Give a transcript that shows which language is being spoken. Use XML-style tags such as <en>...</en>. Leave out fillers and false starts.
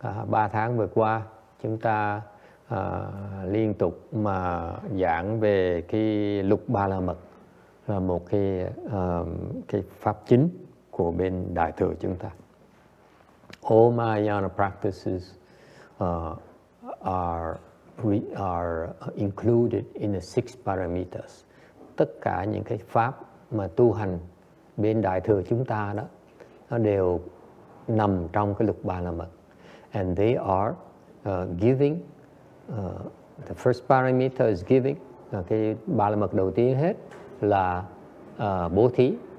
<vi>Ba tháng vừa qua chúng ta liên tục mà giảng về cái lục ba la mật là một cái pháp chính của bên đại thừa chúng ta.</vi> <en>All Mahayana practices are included in the six paramitas.</en> <vi>Tất cả những cái pháp mà tu hành bên đại thừa chúng ta đó, nó đều nằm trong cái lục ba la mật.</vi> <en>And they are giving. The first parameter is giving.</en> <vi>Cái ba la mật đầu tiên hết là bố thí.</vi>